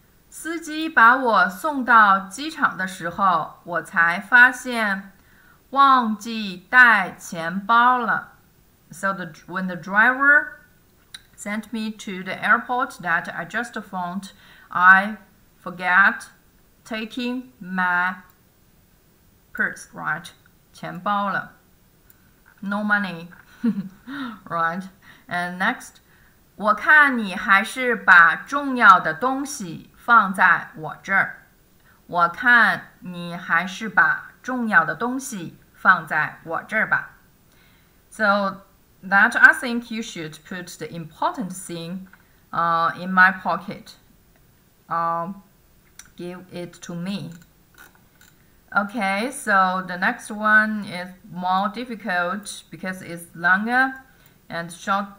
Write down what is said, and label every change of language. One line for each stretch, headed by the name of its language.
Chinese: 司机把我送到机场的时候,我才发现忘记带钱包了。
English: So when the driver sent me to the airport that I just found, I forgot taking my purse, right?
Chinese: 钱包了。
English: No money, right? And next,
Chinese: 我看你还是把重要的东西放在我这儿。我看你还是把重要的东西放在我这儿吧。
English: So that I think you should put the important thing in my pocket. Give it to me. Okay, so the next one is more difficult because it's longer and short.